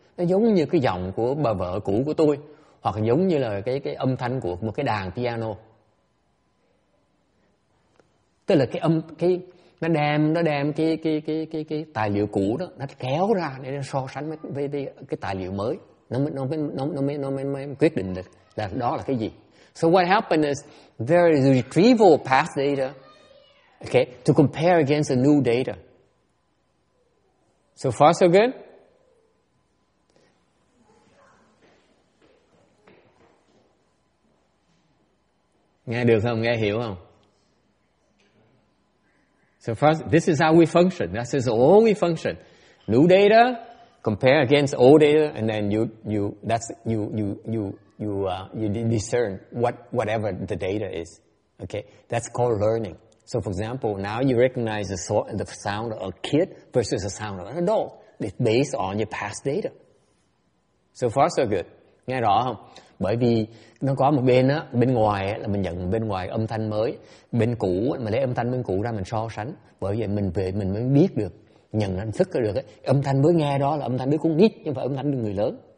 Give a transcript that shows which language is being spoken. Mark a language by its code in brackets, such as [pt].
[vi] Nó giống như cái giọng của bà vợ cũ của tôi. Hoặc giống như là cái âm thanh của một cái đàn piano. Tức là nó đem cái tài liệu cũ đó, nó kéo ra để nó so sánh với cái tài liệu mới. Nó mới quyết định được là đó là cái gì. [en] So what happened is there is a retrieval of past data, okay, to compare against the new data. So far so good? [vi] Nghe được không? Nghe hiểu không? [en] So first, this is how we function. This is all we function. New data, compare against old data, and then you discern whatever the data is. Okay? That's called learning. So for example, now you recognize the sound of a kid versus the sound of an adult. It's based on your past data. So far, so good. [vi] Nghe rõ không? Bởi vì nó có một bên á, bên ngoài á, là mình nhận bên ngoài âm thanh mới, bên cũ á, mình lấy âm thanh bên cũ ra mình so sánh, bởi vậy mình mới biết được, nhận ra thức được ấy. Âm thanh mới nghe đó là âm thanh đứa con nít, nhưng phải âm thanh người lớn.